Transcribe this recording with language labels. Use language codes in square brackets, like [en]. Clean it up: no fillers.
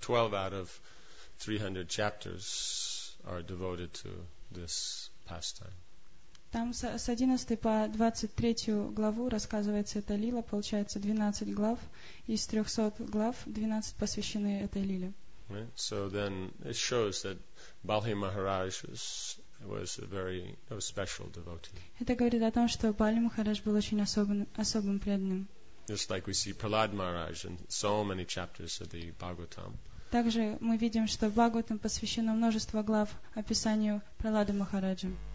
[en] 12 out of 300 chapters are devoted to this pastime. [ru] Там с 11 по 23 главу рассказывается эта лила, получается 12 глав, из 300 глав 12 посвящены этой лиле. [en] Right. So then it shows that Balhi Maharaj was a very special devotee. [ru] Это говорит о том, что Бали Махарадж был очень особым преданным. [en] Just like we see Prahlad Maharaj in so many chapters of the Bhagavatam. [ru] Также мы видим, что в Бхагаватам посвящено множество глав описанию Прахлады Махараджа.